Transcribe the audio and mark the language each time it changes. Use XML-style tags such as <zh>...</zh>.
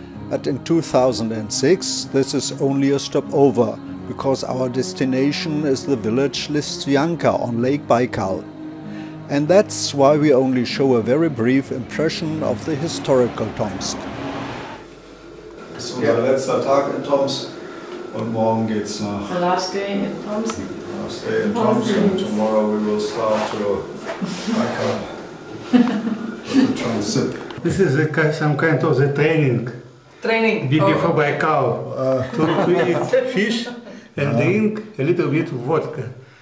<en>But in 2006, this is only a stopover, because our destination is the village Listvyanka on Lake Baikal. And that's why we only show a very brief impression of the historical Tomsk.</en> <de>Das ist unser letzter Tag in Tomsk und morgen geht's nach.</de> <en>The last day in Tomsk. The last day in Tomsk and tomorrow we will start to Baikal. Transit. This is a, some kind of the training. Training. Before Baikal. To eat fish and drink a little bit of vodka.</en>